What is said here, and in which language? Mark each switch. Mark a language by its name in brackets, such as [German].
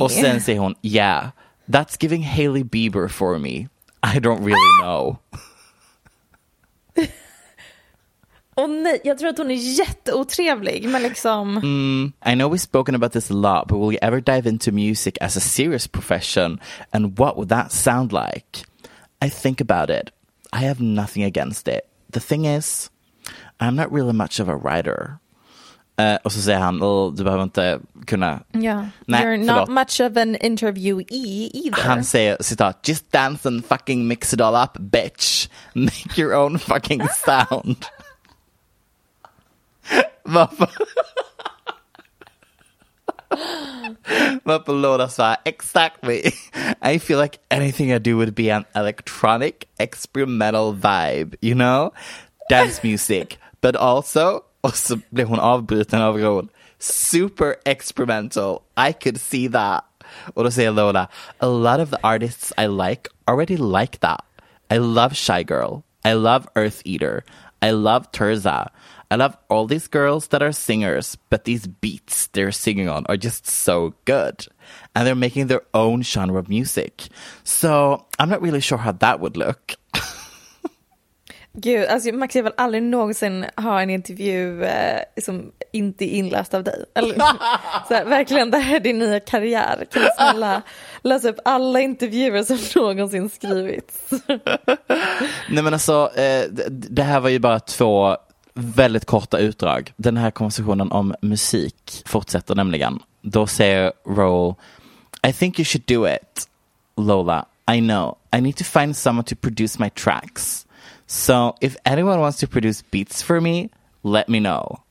[Swedish] Och sen säger hon, [English] yeah, that's giving Hailey Bieber for me. I don't really know. [Swedish] Oh, nej, jag tror att hon är jätteotrevlig, men liksom... [English] I know we've spoken about this a lot, but will you ever dive into music as a serious profession? And what would that sound like? I think about it. I have nothing against it. The thing is, I'm not really much of a writer. [Swedish] Och så säger han, du behöver inte kunna... [English] Yeah. Nej, you're not much of an interviewee either. [Swedish] Han säger, citat, [English] just dance and fucking mix it all up, bitch. Make your own fucking sound. [Swedish] Varför Lola svarar, exactly. [English] I feel like anything I do would be an electronic experimental vibe, you know? Dance music. But also, [Swedish] och så blir hon avbruten av Ron, [English] super experimental. I could see that. [Swedish] Och då säger Lola, [English] a lot of the artists I like already like that. I love Shy Girl. I love Earth Eater. I love Tirza. I love all these girls that are singers, but these beats, they're singing on are just so good. And they're making their own genre of music. So I'm not really sure how that would look. [Swedish] Gud, alltså Max, jag vill aldrig någonsin ha en intervju som inte är inläst av dig. Eller, så här, verkligen, det här är din nya karriär. Kan du snälla läsa upp alla intervjuer som någonsin skrivits? Nej, men alltså, det här var ju bara två väldigt korta utdrag. Den här konversationen om musik fortsätter nämligen. Då säger Raoul, [English] I think you should do it, Lola. I know, I need to find someone to produce my tracks. So, if anyone wants to produce beats for me, let me know.